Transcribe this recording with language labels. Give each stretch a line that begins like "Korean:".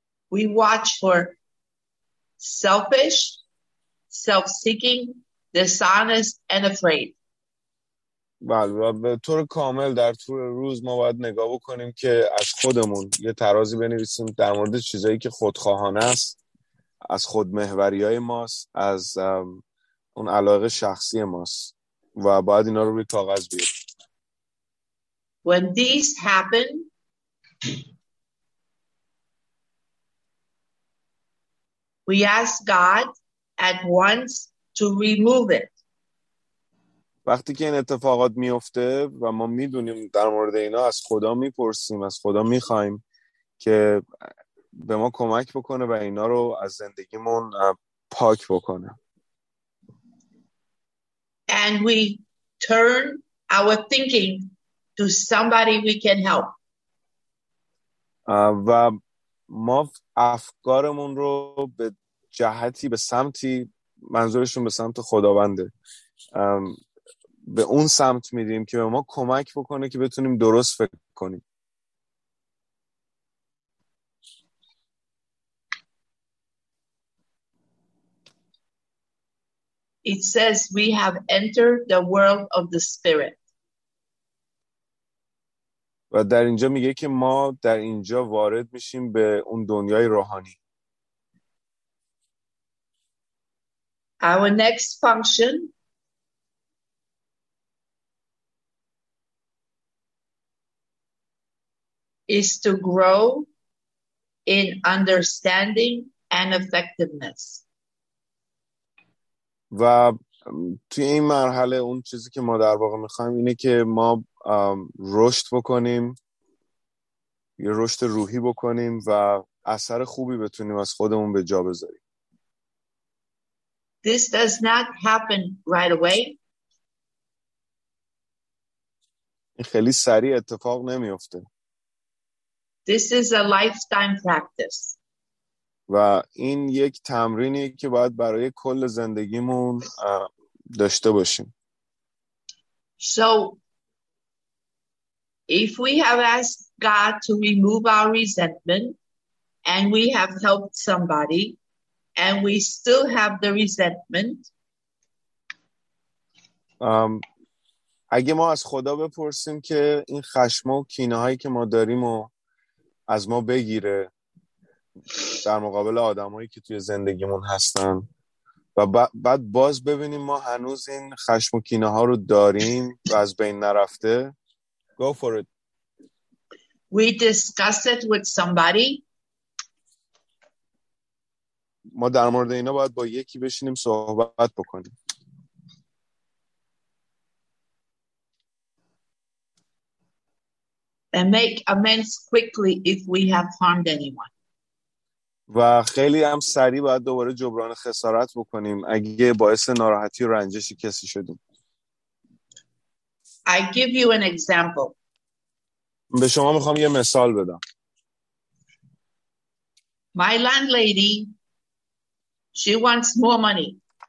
English: we watch for selfish, self-seeking, dishonest, and afraid.
Persian: بله، و به طور کامل در طول روز ما باید نگاه بکنیم که از خودمون یه ترازی بنویسیم در مورد چیزایی که خودخواهانه است، از خودمحوری های ماست، از اون علاقه شخصی ماست و باید اینا رو روی کاغذ بیاریم.
English: When these happen, we ask God at once to remove it.
Persian: وقتی که این اتفاقات میفته و ما میدونیم در مورد اینا، از خدا میپرسیم، از خدا میخوایم که به ما کمک بکنه و اینا رو از زندگیمون پاک بکنه.
English: And we turn our thinking to somebody we can help.
Persian: و ما افکارمون رو به جهتی به سمتی منظورشون به سمت خداونده به اون سمت میدیم که به ما کمک بکنه که بتونیم درست فکر کنیم.
English: It says we have entered the world of the spirit.
Persian: و در اینجا میگه که ما در اینجا وارد میشیم به اون دنیای روحانی.
English: Our next function is to grow in understanding and effectiveness.
Persian: و توی این مرحله اون چیزی که ما در واقع میخوایم اینه که ما رشد بکنیم، یه رشد روحی بکنیم و اثر خوبی بتونیم از خودمون به جا بذاریم.
English: This does not happen right away.
Persian: این خیلی سریع اتفاق نمیفته.
English: This is a lifetime practice.
Persian: و این یک تمرینی که باید برای کل زندگیمون داشته باشیم.
English: So if we have asked God to remove our resentment and we have helped somebody and we still have the resentment,
Persian: اگه ما از خدا بپرسیم که این خشم و کینه هایی که ما داریم و از ما بگیره در مقابل آدمایی که توی زندگیمون هستن و بعد باز ببینیم ما هنوز این خشم و کینه ها رو داریم و از بین نرفته.
English: Go for it. We discuss it with somebody.
Persian: ما در مورد اینا باید با یکی بشینیم صحبت بکنیم.
English: And make amends quickly if we have harmed anyone.
Persian: و خیلی هم سریع باید دوباره جبران خسارت بکنیم اگه باعث ناراحتی و رنجش کسی شدیم.
English: I give you an example.
Persian: به شما میخوام یه مثال بدم.
English: My landlady, she wants more money.